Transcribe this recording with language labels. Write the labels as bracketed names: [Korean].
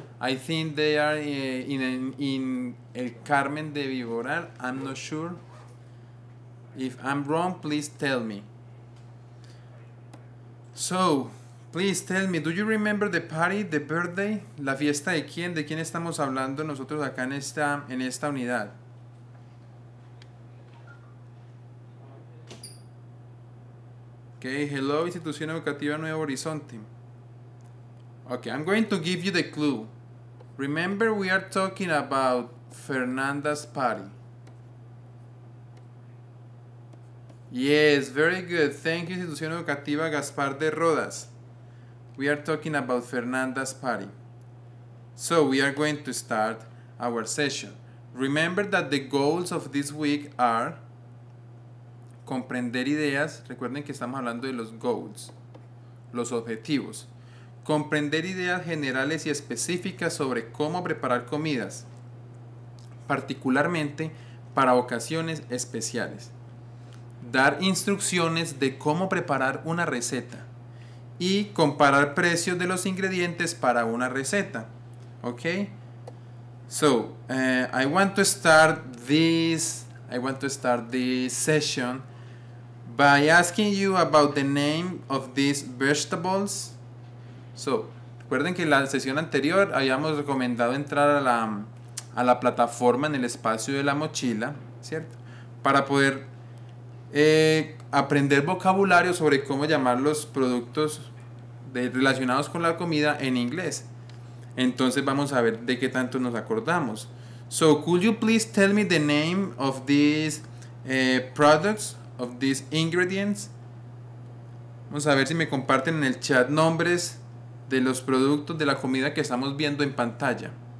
[English] I think they are in El Carmen de Viboral. I'm not sure. If I'm wrong, please tell me. So, please tell me, do you remember the party, the birthday? [Spanish] ¿La fiesta de quién? ¿De quién estamos hablando nosotros acá en esta unidad? [English] Okay, hello, Institución Educativa Nuevo Horizonte. Okay, I'm going to give you the clue. Remember, we are talking about Fernanda's party. Yes, very good. Thank you, Institución Educativa Gaspar de Rodas. We are talking about Fernanda's party. So, we are going to start our session. Remember that the goals of this week are... [Spanish] comprender ideas, recuerden que estamos hablando de los goals, los objetivos. Comprender ideas generales y específicas sobre cómo preparar comidas, particularmente para ocasiones especiales. Dar instrucciones de cómo preparar una receta y comparar precios de los ingredientes para una receta. [English] Ok, so I want to start this session. By asking you about the name of these vegetables. [Spanish] So, recuerden que en la sesión anterior habíamos recomendado entrar a la plataforma en el espacio de la mochila, ¿cierto? Para poder aprender vocabulario sobre cómo llamar los productos de relacionados con la comida en inglés. Entonces vamos a ver de qué tanto nos acordamos. [English] So, could you please tell me the name of these products, of these ingredients? [Spanish] Vamos a ver si me comparten en el chat nombres de los productos de la comida que estamos viendo en pantalla.